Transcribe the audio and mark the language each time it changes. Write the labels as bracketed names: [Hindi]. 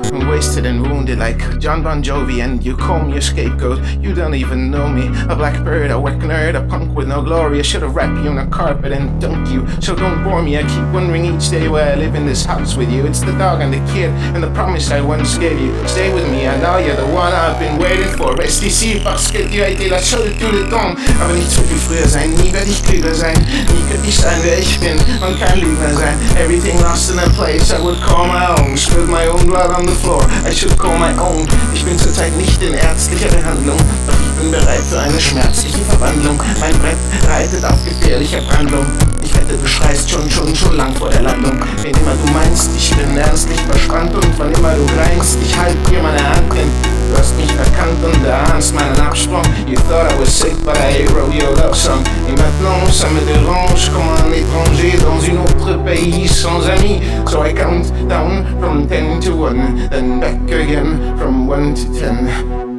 [English] Wasted and wounded like John Bon Jovi, and you call me a scapegoat. You don't even know me, a black bird, a whack nerd, a punk with no glory. I should have wrapped you in a carpet and dunked you, so don't bore me. I keep wondering each day where I live in this house with you. It's the dog and the kid and the promise I once gave you. Stay with me, I know you're the one I've been waiting for. [French] Rest ici parce que tu as été la seule tout le temps. [German] Aber nichts wird wie früher sein, nie werde ich klüger sein, nie könnte ich sein, wer ich bin. Man kann lügner sein. [English] Everything lost in a place I would call my own. Spilled my own blood on the floor, I should call my own. [German] Ich bin zurzeit nicht in ärztlicher Behandlung, doch ich bin bereit für eine schmerzliche Verwandlung. Mein Brett reitet auf gefährlicher Brandung. Ich wette, du schreist schon lang vor der Landung. Wenn immer du meinst, ich bin ernstlich verspannt, und wann immer du greinst, ich halte dir meine Hand, denn du hast mich erkannt und erahnst meinen Absprung. [English] You thought I was sick, but I wrote your love song. [French] Et maintenant, ça me dérange comme un étranger dans une autre pays sans amis. [English] So I count down from 10 to 1, then back again from 1 to 10.